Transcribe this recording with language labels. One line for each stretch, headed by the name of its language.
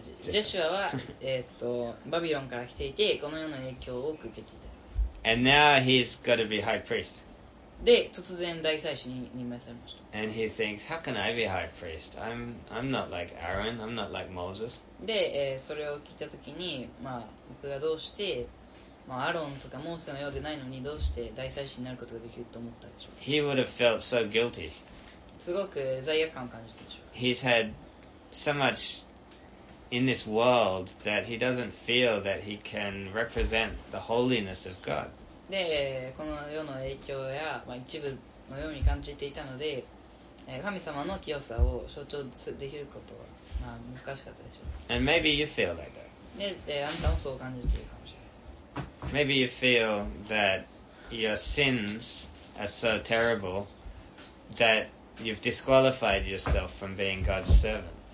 Japanese: Jeshua は、バビロンから来ていて、このような影響を多く受けていた。
English: And now he's got to be high priest.
Japanese: で、突然大祭司に任命されました。
English: And he thinks, how can I be high priest? I'm not like Aaron, I'm not like Moses.
Japanese: で、それを聞いたときに、まあ、僕がどうしてまあ、アロンとかモーセのようでないのにどうして大祭司になることができると思ったでしょう。
English: He would have felt so guilty.
Japanese: すごく罪悪感を感じたでしょう。
English: He's had so much in this world that he doesn't feel that he can represent the holiness of God.
Japanese: で、この世の影響や、まあ、一部のように感じていたので、神様の清さを象徴できることは、まあ、難しかったでしょう。
English: And maybe you feel like that.
Japanese: で、あなたもそう感じているかもしれません。
English: Maybe you feel that your sins are so terrible that you've disqualified yourself from being God's servant.